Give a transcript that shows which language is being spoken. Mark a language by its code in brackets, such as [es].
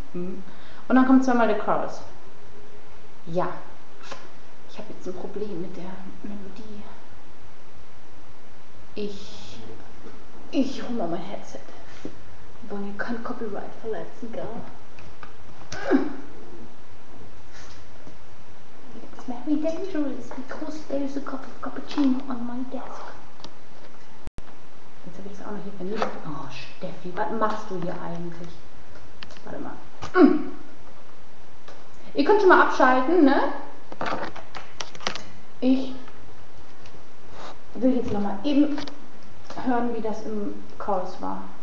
[de] Und dann kommt zweimal der Chorus. Ja. Ich habe jetzt ein Problem mit der Melodie. Ich hol mal mein Headset. Wir wollen hier kein Copyright verletzen, gell? [en] It's very dangerous because there is a cup of cappuccino on my desk. [de] Jetzt habe ich das auch noch hier vernichtet. Oh, Steffi, was machst du hier eigentlich? Warte mal. Ihr könnt schon mal abschalten, ne? Ich will jetzt noch mal eben hören, wie das im Chorus war.